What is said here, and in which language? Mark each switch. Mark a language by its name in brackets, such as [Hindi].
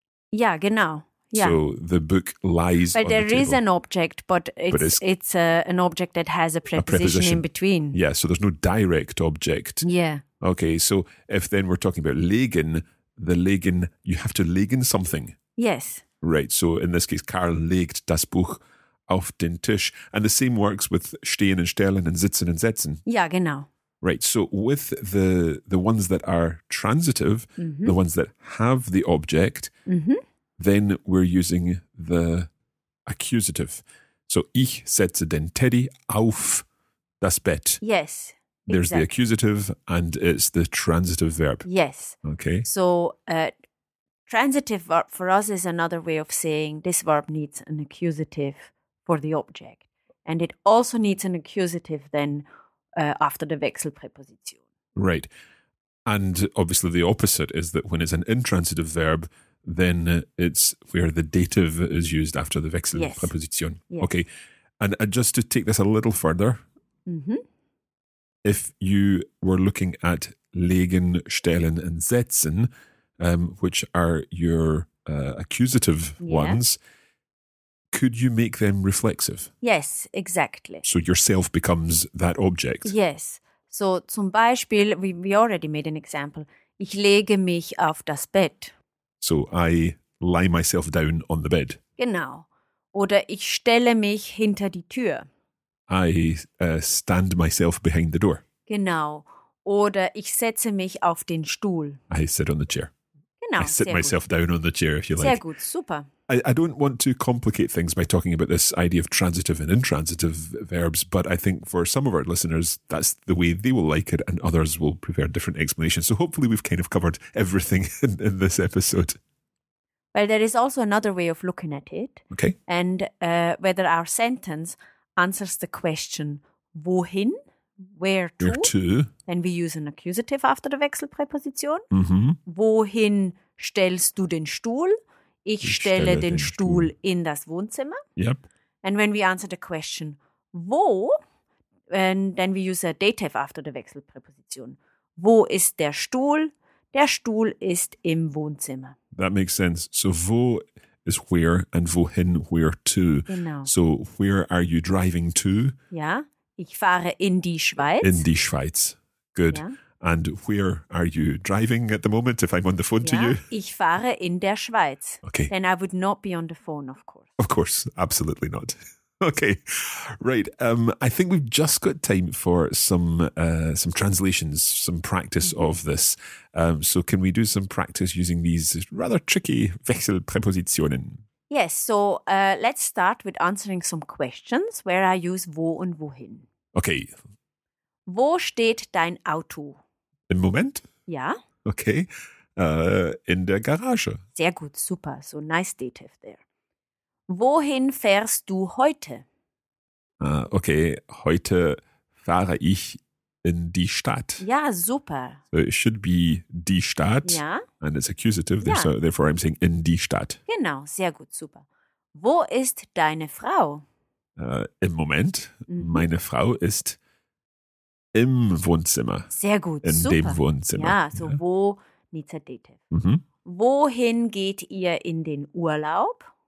[English] Yeah, [German] genau. [English] Yeah. So the book lies but on the table. But there is an object, but it's an object that has a preposition in between. Yeah, so there's no direct object. Yeah. Okay, so if then we're talking about legen, the legen, you have to legen something. Yes. Right, so in this case, Karl [German] legt das Buch auf den Tisch. [English] And the same works with stehen und stellen and sitzen und setzen. [German] Ja, genau. [English] Right, so with the ones that are transitive, mm-hmm. the ones that have the object, mm-hmm. then we're using the accusative. [German] So ich setze den Teddy auf das Bett. [English] Yes. There's exactly. the accusative and it's the transitive verb. Yes. Okay. So transitive verb for us is another way of saying this verb needs an accusative for the object. And it also needs an accusative then after the Wechselpräposition. Right. And obviously the opposite is that when it's an intransitive verb, then it's where the dative is used after the Wechselpräposition. Yes. Okay. And just to take this a little further. Mm-hmm. If you were looking at legen, stellen and setzen, which are your accusative ones, could you make them reflexive? Yes, exactly. So yourself becomes that object. Yes. So [German] zum Beispiel, [English] we already made an example. [German] Ich lege mich auf das Bett. [English] So, I lie myself down on the bed. [German] Genau. Oder ich stelle mich hinter die Tür. [English] I stand myself behind the door. [German] Genau. Oder ich setze mich auf den Stuhl. [English] I sit on the chair. [German] Genau. [English] I sit myself down on the chair, if you like. [German] Sehr gut, super. [English] I don't want to complicate things by talking about this idea of transitive and intransitive verbs, but I think for some of our listeners, that's the way they will like it, and others will prefer different explanations. So hopefully we've kind of covered everything in this episode. Well, there is also another way of looking at it. Okay. And whether our sentence answers the question, wohin, where to, then we use an accusative after the Wechselpräposition. Mm-hmm. [German] Wohin stellst du den Stuhl? Ich stelle den Stuhl in das Wohnzimmer. [English] Yep. And when we answer the question, wo, and then we use a dative after the Wechselpräposition. [German] Wo ist der Stuhl? Der Stuhl ist im Wohnzimmer. [English] That makes sense. So wo is where and wohin, where to. [German] Genau. [English] So where are you driving to? [German] Ja, ich fahre in die Schweiz. In die Schweiz. [English] Good. [German] Ja. [English] And where are you driving at the moment, if I'm on the phone to you? [German] Ich fahre in der Schweiz. [English] Okay. Then I would not be on the phone, of course. Of course, absolutely not. Okay, right. I think we've just got time for some translations, some practice of this. So can we do some practice using these rather tricky Wechselpräpositionen? Yes, so let's start with answering some questions where I use wo and wohin. Okay. [German] Wo steht dein Auto? Im Moment? Ja. Okay. In der Garage. Sehr gut, super. [English] So nice dative there. [German] Wohin fährst du heute? Okay, heute fahre ich in die Stadt. Ja, super. [English] So it should be die Stadt. [German] Ja. [English] And it's accusative, therefore I'm saying [German] in die Stadt. Genau, sehr gut, super. Wo ist deine Frau? Im Moment, meine Frau ist im Wohnzimmer. Sehr gut, in super. Dem Wohnzimmer. Ja, [English] so wo, needs a dative. Mhm. [German] Wohin geht ihr in den Urlaub?